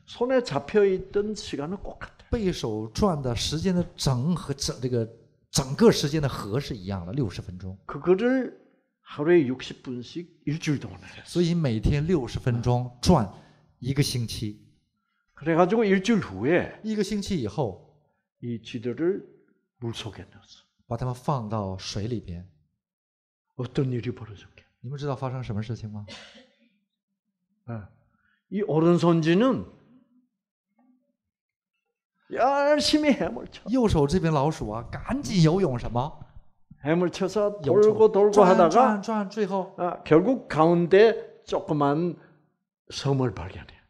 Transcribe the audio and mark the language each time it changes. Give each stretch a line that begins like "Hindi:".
Korean: 손에 잡혀 있던 시간은 꼭 같아.
Chinese: 被手转的时间的整和整这个整个时间的和是一样的60分钟.
Korean: 그거를 하루에 60분씩 일주일 동안 했어.
Chinese: 所以每天60分钟转一个星期.
Korean: 그래가지고 일주일 후에
Chinese: 一个星期以后,
Korean: 이 쥐들을 물속에 넣었어.
Chinese: 把它们放到水里边.
Korean: 어떤 일이 벌어졌게?
Chinese: 你们知道发生什么事情吗?
Korean: 이 오른손 쥐는 열심히 헤엄을 쳐.
Chinese: 右手这边老鼠啊, 赶紧游泳什么?
Korean: 헤엄을 쳐서 돌고 돌고 하다가
Chinese: 转最后,
Korean: 결국 가운데 조그만 섬을 발견해.